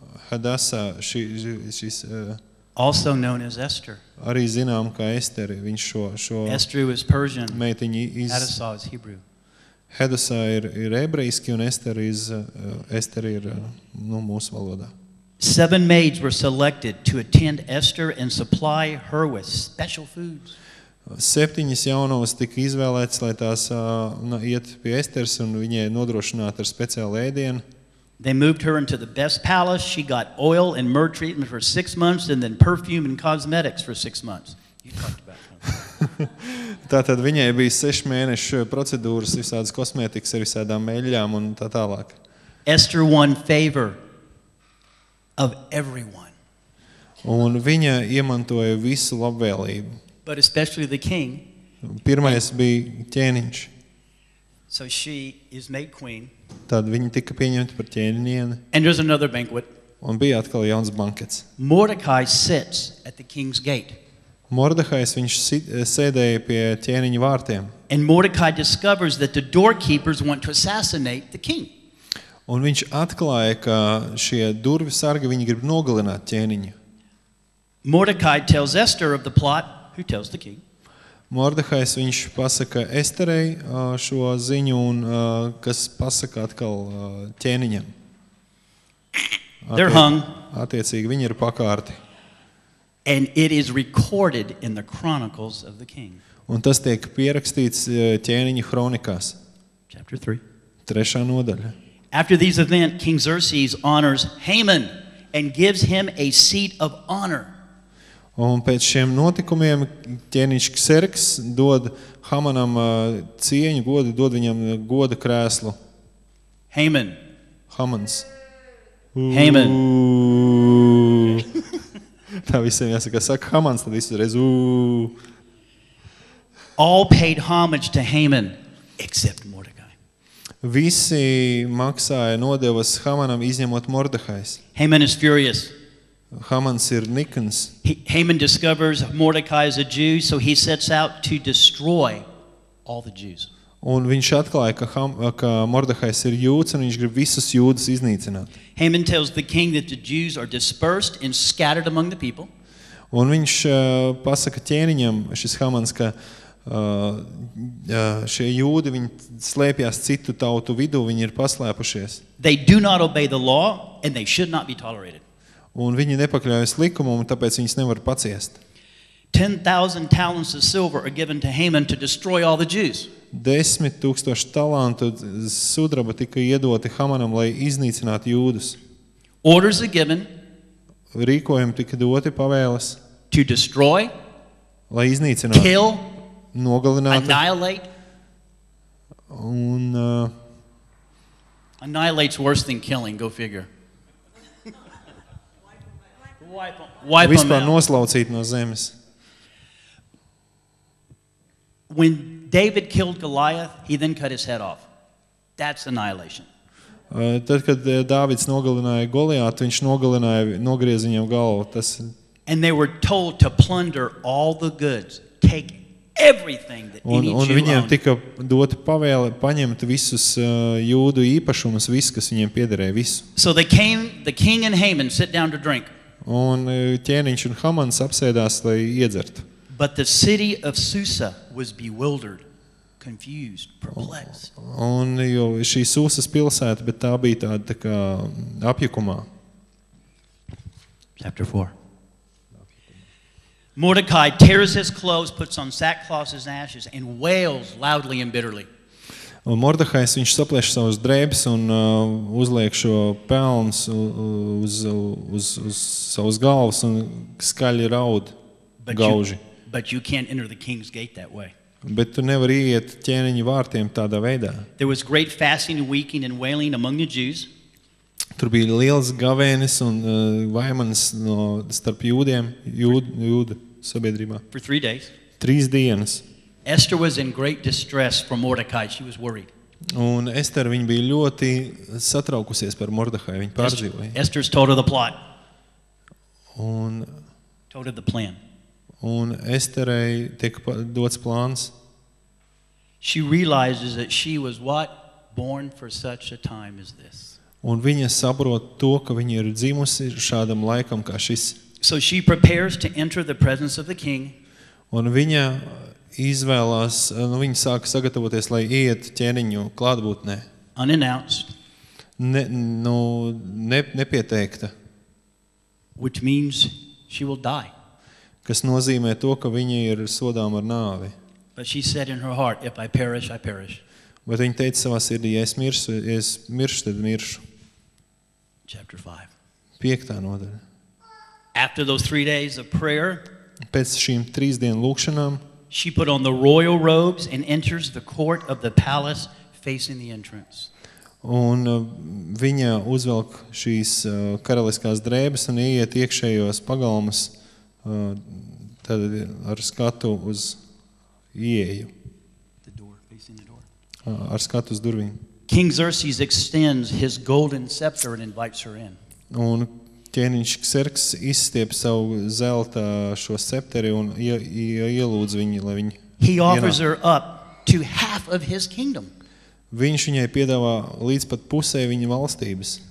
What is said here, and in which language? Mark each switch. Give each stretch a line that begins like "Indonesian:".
Latvian: Hadassah, šis
English: also known as Esther.
Latvian: Arī zinām kā Esteri, viņš šo
English: Esther was Persian.
Latvian: Meitiņi iz
English: Hadassah is Hebrew.
Latvian: Hadassah ir ebrejiski un Esteri ir mūsu valodā.
English: Seven maids were selected to attend Esther and supply her with special foods.
Latvian: Septiņas jaunavas tika izvēlētas, lai tās iet pie Esteras un viņai nodrošināt ar speciālu ēdienu.
English: They moved her into the best palace. She got oil and myrrh treatment for 6 months and then perfume and cosmetics for 6 months. You talked about that.
Latvian: Tātad viņai bija 6 mēnešu procedūras, visādas kosmētikas ar visādām mēļām un tā tālāk.
English: Esther won favor of everyone.
Latvian: Un viņa iemantoja visu labvēlību.
English: But especially the king.
Latvian: Pirmais bija ķēniņš.
English: So she is made queen.
Latvian: Tad viņa tika pieņemta par ķēniņieni.
English: And there's another banquet.
Latvian: Un bija atkal jauns bankets.
English: Mordecai sits at the king's gate.
Latvian: Mordehais, viņš sēdēja pie ķēniņa vārtiem.
English: And Mordecai discovers that the doorkeepers want to assassinate the king.
Latvian: Un viņš atklāja, ka šie durvi sargi, viņi grib nogalināt ķēniņu.
English: Mordecai tells Esther of the plot, who tells the king.
Latvian: Mordehais, viņš pasaka Esterei šo ziņu, un kas pasaka atkal ķēniņam.
English: They're hung.
Latvian: Attiecīgi, viņi ir pakārti.
English: And it is recorded in the chronicles of the king.
Latvian: Un tas tiek pierakstīts ķēniņa hronikās.
English: Chapter 3.
Latvian: Trešā nodaļa.
English: After these events, King Xerxes honors Haman and gives him a seat of honor.
Latvian: Un pēc šiem notikumiem ķēniņš Xerxes dod Hamanam cieņu, godu, dod viņam goda krēslu.
English: Haman.
Latvian: Hamans.
English: Haman.
Latvian: Tā visiem jāsaka, saka Hamans, tad visreiz
English: All paid homage to Haman, except
Latvian: Visi maksāja nodevas Hamanam izņemot Mordehais.
English: Haman is furious.
Latvian: Hamans ir nikns.
English: Haman discovers Mordecai is a Jew, so he sets out to destroy all the Jews.
Latvian: Un viņš atklāja, ka Mordehais ir jūds, un viņš grib visus jūdus iznīcināt.
English: Haman tells the king that the Jews are dispersed and scattered among the people.
Latvian: Un viņš pasaka ķēniņam, šis Hamans, ka šie jūdi, viņi slēpjas citu tautu vidū, viņi ir paslēpušies.
English: They do not obey the law and they should not be tolerated.
Latvian: Un viņi nepakļaujas likumam, tāpēc viņus nevar paciest.
English: 10,000 talents of silver are given to Haman to destroy all the Jews.
Latvian: 10,000 talantu sudraba tika iedoti Hamanam, lai iznīcinātu jūdus.
English: Orders are given.
Latvian: Rīkojumi tika doti, pavēles.
English: To destroy.
Latvian: Lai iznīcinātu.
English: Kill.
Latvian: Nogalināt.
English: Annihilate.
Latvian: Un
English: annihilate's worse than killing, go figure.
Latvian: Vispār noslaucīt no zemes.
English: When David killed Goliath, he then cut his head off. That's annihilation.
Latvian: Tad kad Dāvids nogalināja Goliātu, viņš nogrieza viņam galvu.
English: And they were told to plunder all the goods, take everything that
Latvian: un,
English: any
Latvian: un
English: Jew
Latvian: viņiem tika dota pavēle paņemt visus jūdu īpašumus, viss, kas viņiem piederēja, visu.
English: So they came, the king and Haman sit down to drink.
Latvian: Un ķēniņš un Hamans apsēdās, lai iedzert.
English: But the city of Susa was bewildered, confused, perplexed.
Latvian: Un jo šī Susas pilsēta, bet tā bija tāda tā kā apjukumā.
English: Chapter 4. Mordecai tears his clothes, puts on sackcloth and ashes, and wails loudly and bitterly.
Latvian: Un Mordehais, viņš saplēš savus drēbes un uzliek šo pelns uz savus galvas un skaļi raud gauži.
English: But you can't enter the king's gate that way.
Latvian: Bet tu nevari iet ķēniņa vārtiem tādā veidā.
English: There was great fasting and weeping and wailing among the Jews.
Latvian: Tur bija liels gavēnis un vaimanis no starp jūdiem, jūda sabiedrībā.
English: For 3 days.
Latvian: 3 dienas.
English: Esther was in great distress for Mordecai. She was worried.
Latvian: Un Ester, viņa bija ļoti satraukusies par Mordehai. Viņa pārdzīvoja.
English: Esther's told her the plot.
Latvian: Un
English: told her the plan.
Latvian: Un Esterai tiek dots plāns.
English: She realizes that she was what born for such a time as this.
Latvian: Un viņa saprot to, ka viņa ir dzimusi šādam laikam kā šis.
English: So she prepares to enter the presence of the king.
Latvian: Un viņa izvēlās, nu viņa sāka sagatavoties, lai iet ķēniņu klātbūtnē.
English: Unannounced.
Latvian: Nepieteikta.
English: Which means she will die.
Latvian: Kas nozīmē to, ka viņa ir sodām ar nāvi.
English: But she said in her heart, if I perish, I perish.
Latvian: Bet viņa teica savā sirdī, ja es miršu, tad miršu.
English: Chapter 5.
Latvian: Piektā nodaļa.
English: After those 3 days of prayer,
Latvian: pēc šīm 3 dienu lūkšanām,
English: she put on the royal robes and enters the court of the palace facing the entrance.
Latvian: Un viņa uzvelk šīs karaliskās drēbes un iet iekšējos pagalmas tad ar skatu uz ieeju.
English: The door facing the door.
Latvian: Ar skatu uz durvīm.
English: King Xerxes extends his golden scepter and invites her in.
Latvian: Un ķēniņš Xerxes izstiep savu zelta šo scepteri un ielūdz viņu, lai viņa ienāk.
English: He offers her up to half of his kingdom.
Latvian: Viņš viņai piedāvā līdz pat pusē viņa valstības.